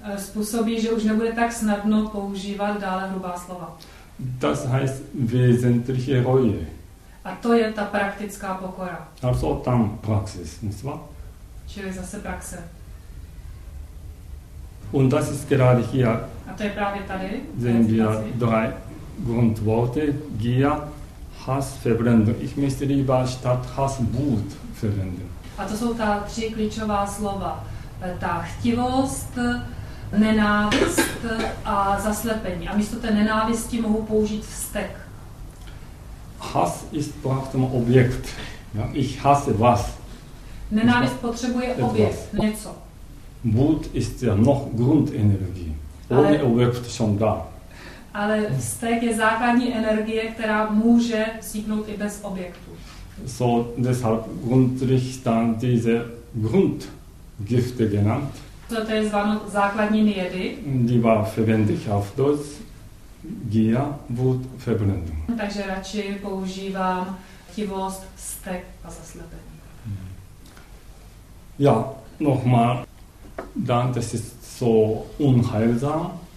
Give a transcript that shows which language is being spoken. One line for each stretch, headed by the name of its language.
Czech: Způsobí, že už nebude tak snadno používat dále hrubá slova.
German: Das heißt wesentliche Reue.
Czech: A to je ta praktická pokora.
German: Also tam Praxis, nicht wahr?
Czech: Čili zase praxe.
German: Und das ist gerade hier.
Czech: A to je právě tady.
German: Sehen wir drei Grundworte. Gier, Hass, Verblendung. Ich möchte lieber statt Hass Wut verwenden.
Czech: A to jsou ta tři klíčová slova. Ta chtivost, nenávist a zaslepení. A místo té nenávisti mohu použít vztek.
German: Hass ist braucht ein Objekt. Ja, ich hasse was.
Czech: Nenávist potřebuje objekt, něco.
German: Wut ist ja noch Grundenergie. Ohne Objekt schon da.
Czech: Ale vztek je základní energie, která může vzniknout i bez objektu.
German: So deshalb Grundrichter diese Grundgifte genannt.
Czech: So, to je zváno základní jedy.
German: Die war verwendet auf Deutsch. Gier, Wut, Verblendung.
Czech: Takže radši používám chivost, vztek a zaslepení.
German: Ja, nochmal. Dann, das ist so unheilsam.